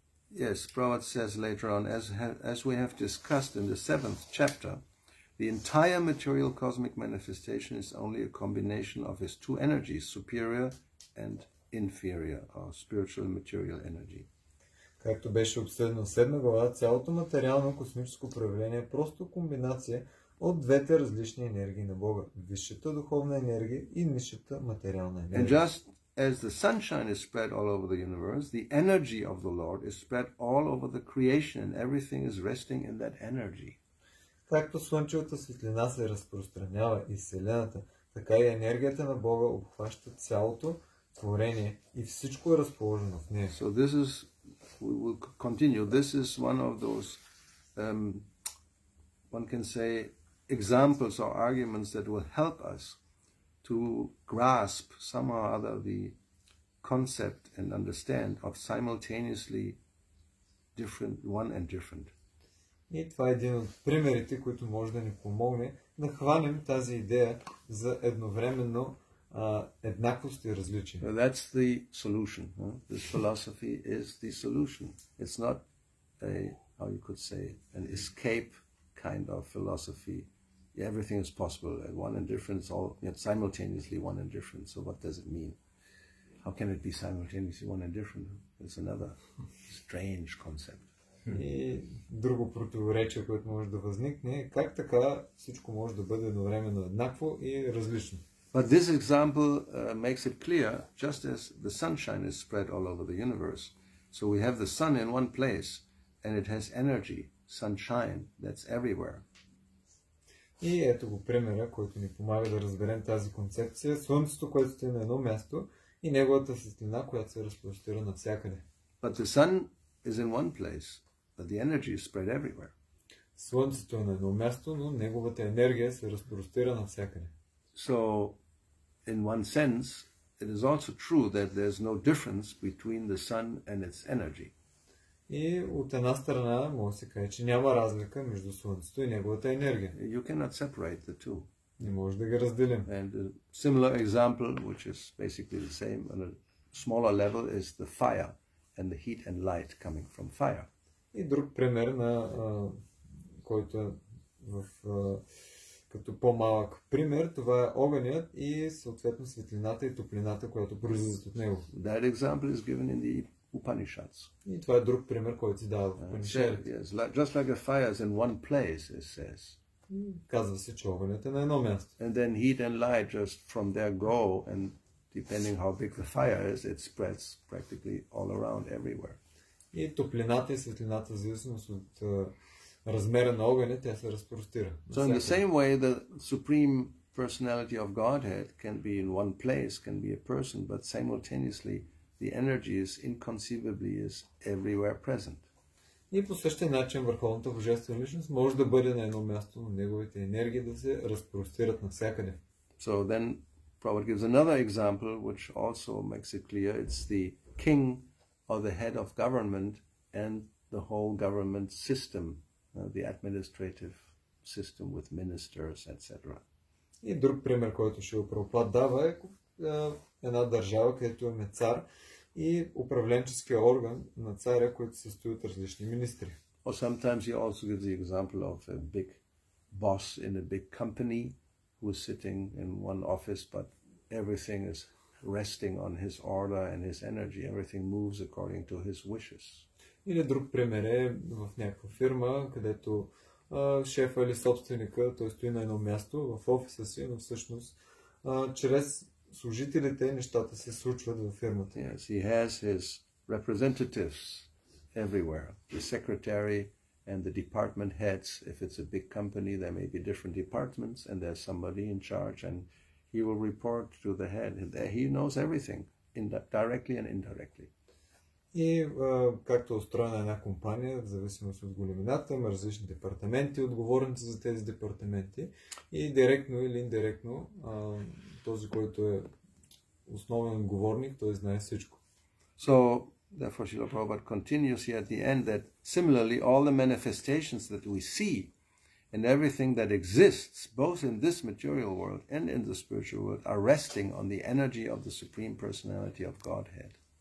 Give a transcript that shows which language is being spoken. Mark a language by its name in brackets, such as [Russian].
[English] Yes, Prabhupada says later on, as we have discussed in the seventh chapter, the entire material cosmic manifestation is only a combination of his two energies, superior and inferior, or spiritual material energy. [Bulgarian] Както беше обсъдено в седма глава, цялото материално космическо проявление е просто комбинация от двете различни енергии на Бога, висшата духовна енергия и нисшата материална енергия. [English] And just as the sunshine is spread all over the universe, the energy of the Lord is spread all over the creation and everything is resting in that energy. [Bulgarian] Както слънчевата светлина се разпространява из вселената, така и енергията на Бога обхваща цялото творение и всичко е разположено в нея. [English] So this is, we will continue, this is one of those, one can say, examples or arguments that will help us to grasp somehow or other the concept and understand of simultaneously different, one and different. [Bulgarian] И това е един от примерите, които може да ни помогне да хванем тази идея за едновременно еднаквост и различие. [English] Well, that's the solution. Huh? This philosophy is the solution. It's not a, how you could say, an escape kind of philosophy. Everything is possible, and one and different is all, yet simultaneously one and different. So what does it mean? How can it be simultaneously one and different? It's another strange concept. [Bulgarian] И друго противоречие, което може да възникне, как така всичко може да бъде едновременно еднакво и различно? [English] But this example makes it clear, just as the sunshine is spread all over the universe, so we have the sun in one place, and it has energy, sunshine, that's everywhere. [Bulgarian] И ето го примера, който ни помага да разберем тази концепция. Слънцето, което стои на едно място и неговата светлина, която се разпростира навсякъде. [English] But the sun is in one place, but the energy is spread everywhere. [Bulgarian] Слънцето е на едно място, но неговата енергия се разпростира навсякъде. [English] So, in one sense, it is also true that there's no difference between the sun and its energy. [Bulgarian] И от една страна може се каже, че няма разлика между Слънцето и неговата енергия. [English] You cannot separate the two. [Bulgarian] Не може да ги разделим. [English] And a similar example, which is basically the same on a smaller level, is the fire and the heat and light coming from fire. [Bulgarian] И друг пример на който е в като по-малък пример, това е огънят и съответно светлината и топлината, която произлизат от него. [English] That example is given in the Upanishads. [Bulgarian] И това е друг пример, който си дава в Upanishads. [English] Just like a fire is in one place, it says. [Bulgarian] Казва се, че огънят е на едно място. [English] And then heat and light just from there go, and depending how big the fire is, it spreads practically all around everywhere. [Bulgarian] И топлината и светлината, в зависимост от размера на огъня, тя се разпростира. [English] So in the same way, the Supreme Personality of Godhead can be in one place, can be a person, but simultaneously the energy is inconceivably is everywhere present. [Bulgarian] И по същия начин върховната божествена личност може да бъде на едно място, но неговите енергии да се разпростират навсякъде. [English] So then Prabhupada gives another example which also makes it clear, it's the king or the head of government and the whole government system, the administrative system with ministers, etc. [Bulgarian] И друг пример, който ще Прабхупад дава, е една държава, където е цар и управленческия орган на царя, който се състои от различни министри. [English] Or sometimes he also gives the example of a big boss in a big company who is sitting in one office, but everything is resting on his order and his energy. Everything moves according to his wishes. [Bulgarian] Или друг пример е в някаква фирма, където шефа или собственика, той стои на едно място в офиса си, но всъщност чрез служителите нещата се случват във фирмата. [English] Yes, he has his representatives everywhere. The secretary and the department heads. If it's a big company, there may be different departments and there's somebody in charge and he will report to the head. There he knows everything, directly and indirectly. [Bulgarian] И както е устроена една компания, в зависимост от големината, има различни департаменти, отговорници за тези департаменти. И директно или индиректно, този, който е основен отговорник, той знае всичко. [English] So, therefore, Srila Prabhupada continues here at the end that similarly, all the manifestations that we see and everything that exists, both in this material world and in the spiritual world, are resting on the energy of the Supreme Personality of Godhead.